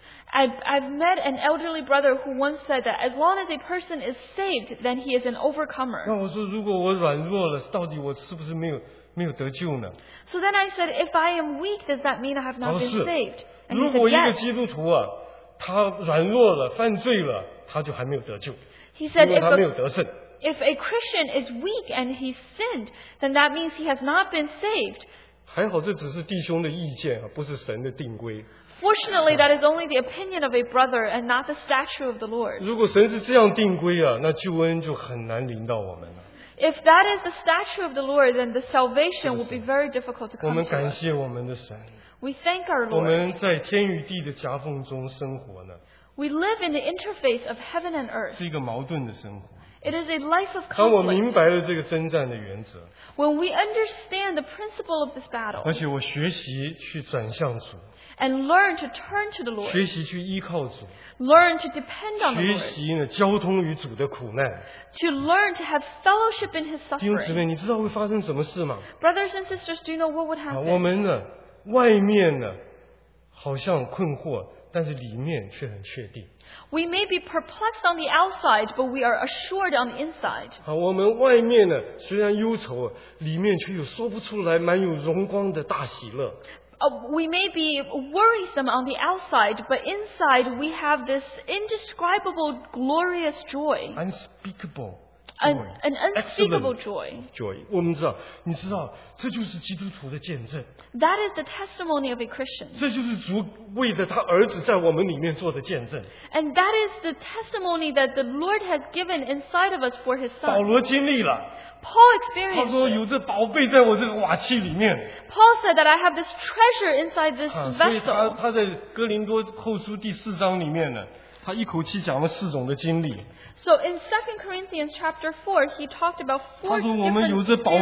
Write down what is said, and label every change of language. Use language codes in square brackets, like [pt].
[en] I've met an elderly brother who once said that as long as a person is saved, then he is an overcomer. [zh] 那我说如果我软弱了，到底我是不是没有得救呢？ [en] So then I said, if I am weak, does that mean I have not been saved? And [zh] 如果一个基督徒啊。他软弱了,犯罪了,他就还没有得救, [en] he said, if a Christian is weak and he sinned, then that means he has not been saved. [zh] 还好这只是弟兄的意见,不是神的定规。 [en] Fortunately, that is only the opinion of a brother and not the statue of the Lord. [zh] 如果神是这样定规啊,那救恩就很难临到我们了。 [en] If that is the statue of the Lord, then the salvation will be very difficult to come to. [zh] 我们感谢我们的神。 [en] We thank our Lord. [zh] 我们在天与地的夹缝中生活呢, [en] we live in the interface of heaven and earth. [zh] 是一个矛盾的生活。 [en] It is a life of conflict. [zh] 当我明白了这个征战的原则, [en] when we understand the principle of this battle, [zh] 而且我学习去转向主, [en] and learn to turn to the Lord, [zh] 学习去依靠主, [en] learn to depend on the Lord, [zh] 学习呢, 交通与主的苦难, [en] to learn to have fellowship in His suffering. [zh] 弟兄姊妹, 你知道会发生什么事吗? [en] Brothers and sisters, do you know what would happen? [zh] 我们呢, 外面呢, 好像困惑, 但是里面却很确定。 [en] We may be perplexed on the outside, but we are assured on the inside. [zh] 我们外面呢, 虽然忧愁, 里面却有说不出来, 蛮有荣光的大喜乐。 [en] We may be worrisome on the outside, but inside we have this indescribable, glorious joy. Unspeakable. An unspeakable joy. Joy. [zh] 我们知道, 你知道, 这就是基督徒的见证。 [en] That is the testimony of a Christian. [zh] 这就是主为了他儿子在我们里面做的见证。 [en] And that is the testimony that the Lord has given inside of us for His Son. [zh] 保罗经历了。 [en] Paul experienced. [zh] 他说有这宝贝在我这个瓦器里面。 [en] Paul said that I have this treasure inside this vessel. [zh] 所以他在哥林多后书第四章里面呢, 他一口气讲了四种的经历。 [en] So in 2 Corinthians chapter 4, he talked about four different experiences.